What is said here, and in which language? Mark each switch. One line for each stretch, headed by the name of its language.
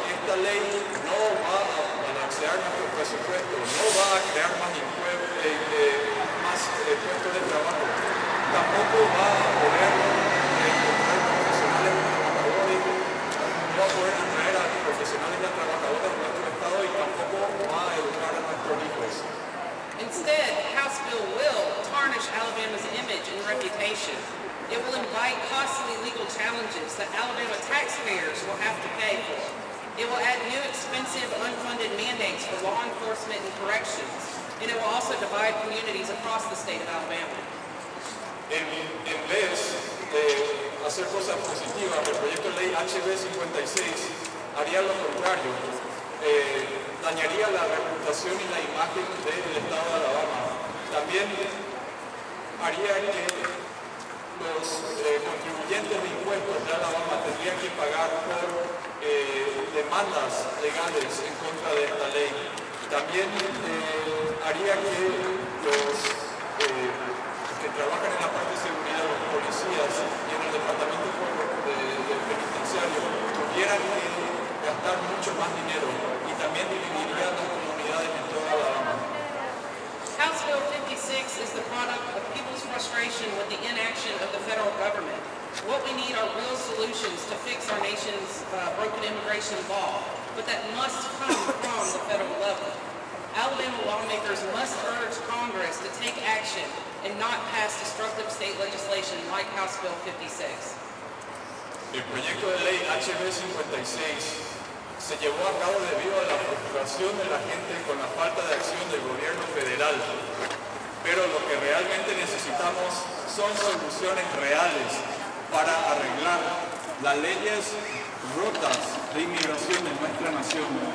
Spanish: Esta ley no va a balancear nuestro presupuesto, no va a crear más puestos de trabajo, tampoco va a poder encontrar profesionales trabajadores, no va a poder atraer a profesionales y a trabajadores de nuestro estado y tampoco va a educar a nuestros hijos.
English: Instead, House Bill will tarnish Alabama's image and reputation. It will invite costly legal challenges that Alabama taxpayers will have to pay for. It will add new expensive unfunded mandates for law enforcement and corrections, and it will also divide communities across the state of Alabama.
Spanish: En vez de hacer cosas positivas, el proyecto de ley HB 56 haría lo contrario. Dañaría la reputación y la imagen del estado de Alabama. También haría que los contribuyentes de impuestos de Alabama tendrían que pagar por demandas legales en contra de esta ley. También haría que los que trabajan en la parte de seguridad, los policías y en el departamento de penitenciario tuvieran que gastar mucho más dinero y también dividiría las comunidades en toda Alabama.
English: House Bill 56 is the product of people's frustration with the inaction of the federal government. What we need are real solutions to fix our nation's broken immigration law, but that must come from the federal level. Alabama lawmakers must urge Congress to take action and not pass destructive state legislation like House Bill 56.
Spanish: El proyecto de ley HB 56 se llevó a cabo debido a la frustración de la gente con la falta de acción del gobierno federal. Pero lo que realmente necesitamos son soluciones reales para arreglar las leyes rotas de inmigración en nuestra nación.